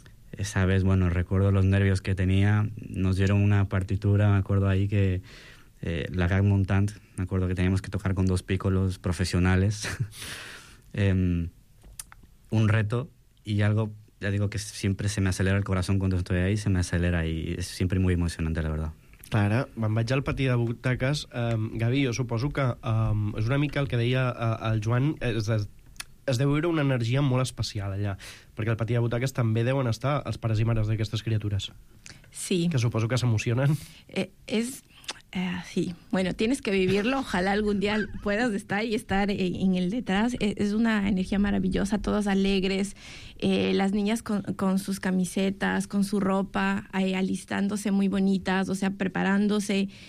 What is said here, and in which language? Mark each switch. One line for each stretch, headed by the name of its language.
Spanish: Esa vez, bueno, recuerdo los nervios que tenía. Nos dieron una partitura, me acuerdo ahí que... la Gag Montant, me acuerdo que teníamos que tocar con 2 pícolos profesionales. un reto y algo, ya digo, que siempre se me acelera el corazón cuando estoy ahí, se me acelera y es siempre muy emocionante, la verdad.
Catalan: Ara me'n vaig al pati de butaques. Gavi, jo suposo que és una mica el que deia el Joan, es deu veure una energia molt especial allà, perquè al pati de butaques també deuen estar els pares i mares d'aquestes criatures. Sí. Que suposo que s'emocionen. És
Spanish: Sí, bueno, tienes que vivirlo, ojalá algún día puedas estar y estar en el detrás. Es una energía maravillosa, todos alegres, las niñas con sus camisetas, con su ropa, alistándose muy bonitas, o sea, preparándose.